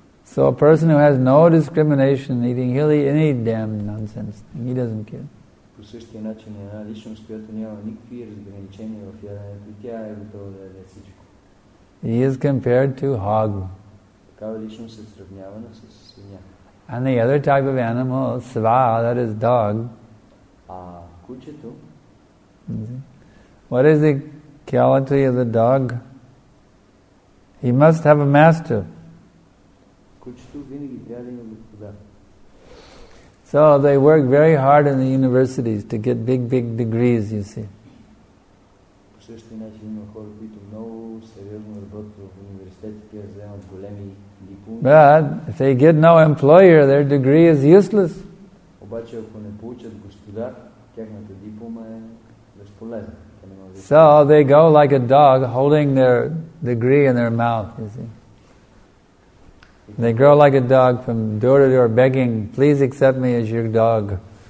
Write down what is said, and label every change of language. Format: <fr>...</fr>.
<en>So a person who has no discrimination eating hilly, any damn nonsense, he doesn't care.</en> <bg>По същия начин една личност, която няма никакви разграничения в яденето, тя е готова да яде всичко.</bg> <en>He is compared to hog.</en> <bg>Такава личност се сравнява с свиня.</bg> <en>And the other type of animal, sva, that is dog.</en> <bg>А кучето?</bg> <en>What is the quality of the dog? He must have a master.</en> <bg>Кучето винаги трябва да има господар.</bg> <en>So they work very hard in the universities to get big, big degrees, you see.</en> <bg>По същия начин има хора, които много сериозно работят в университетите, да вземат големи дипломи.</bg> <en>But if they get no employer, their degree is useless.</en> <bg>Обаче ако не получат господар, тяхната диплома е безполезна.</bg> <en>So they go like a dog holding their degree in their mouth, you see. They grow like a dog from door to door begging, please accept me as your dog.</en>